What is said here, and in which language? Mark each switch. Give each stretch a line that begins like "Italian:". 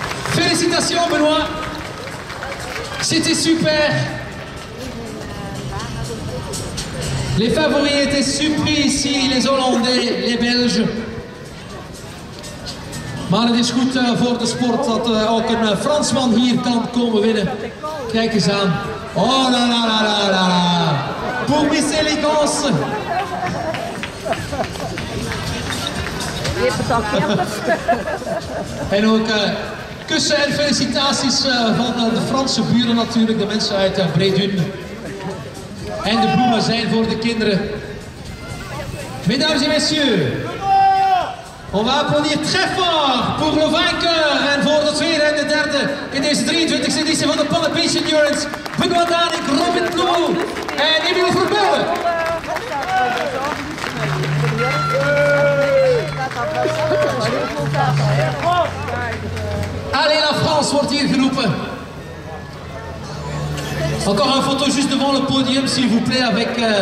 French: Félicitations Benoît, c'était super. Les favoris étaient surpris ici, les Hollandais, les Belges.
Dutch: Maar het is goed voor de sport dat ook een Fransman hier kan komen winnen. Kijk eens aan.
French: Oh la la la la la. Pour Miss Elegance.
Dutch: En ook kussen en felicitaties van de Franse buren natuurlijk. De mensen uit Bredun. En de bloemen zijn voor de kinderen.
French: Mesdames et messieurs. On va applaudir très fort pour le vainqueur
Dutch: en voor de tweede en de derde in deze 23e editie van de Panne Beach Endurance. Benoît Danink, Robin Bloemel en Emiel Vermolen.
French: Allez la France
Dutch: wordt hier geroepen.
French: Encore
Dutch: een foto
French: juste devant le podium, s'il vous plaît, avec